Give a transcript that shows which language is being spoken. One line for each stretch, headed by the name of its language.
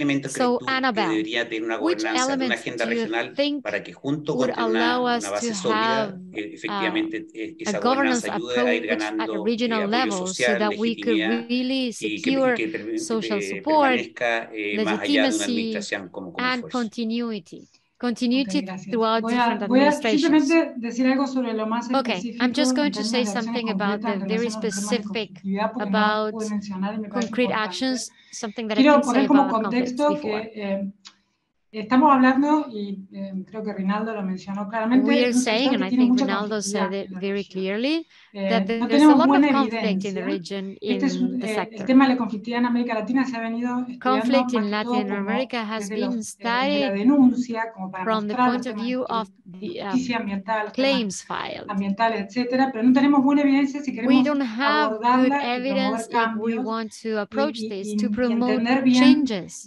English: So, Annabelle, which elements do you think would allow us to have a governance approach at a regional level so that we could really secure social support, legitimacy, and continuity? Continuity throughout different administrations. Okay, I'm just going to say something about the very specific, about concrete actions, something that I can say about conflicts before.
Spanish: Estamos hablando, y creo que Rinaldo lo mencionó claramente.
English: We are saying, and I think Rinaldo said it very clearly, that there's a lot of conflict in the region, in the sector.
Spanish: El tema de la conflictividad en América Latina se ha venido estudiando.
English: Conflict in Latin America has been studied from the point of view of the claims filed.
Spanish: Ambientales, etcétera, pero no tenemos buena evidencia si queremos.
English: We don't have good evidence if we want to approach this to promote changes.